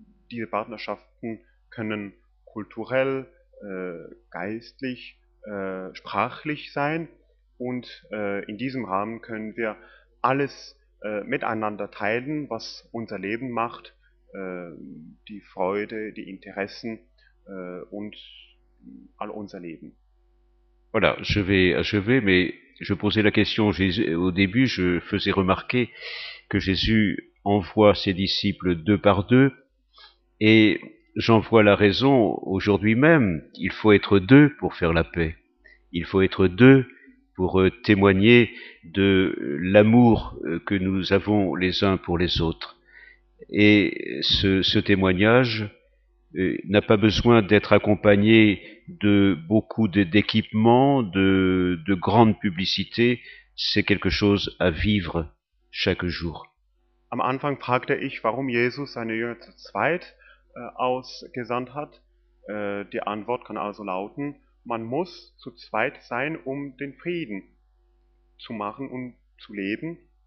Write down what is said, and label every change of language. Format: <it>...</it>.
<de>Diese Partnerschaften können kulturell, geistlich, sprachlich sein. Und in diesem Rahmen können wir alles miteinander teilen, was unser Leben macht. Die Freude, die Interessen und all unser Leben.</de> <fr>Voilà, je vais achever, mais je posais la question au début, je faisais remarquer que Jésus envoie ses disciples deux par deux, et j'en vois la raison aujourd'hui même, il faut être deux pour faire la paix, il faut être deux pour témoigner de l'amour que nous avons les uns pour les autres. Et ce témoignage n'a pas besoin d'être accompagné de beaucoup d'équipements, de grandes publicités. C'est quelque chose à vivre chaque jour.</fr> <de>Am Anfang fragte ich, warum Jesus seine Jünger zu zweit ausgesandt hat. Die Antwort kann also lauten, man muss zu zweit sein, um den Frieden zu machen und zu leben.</de>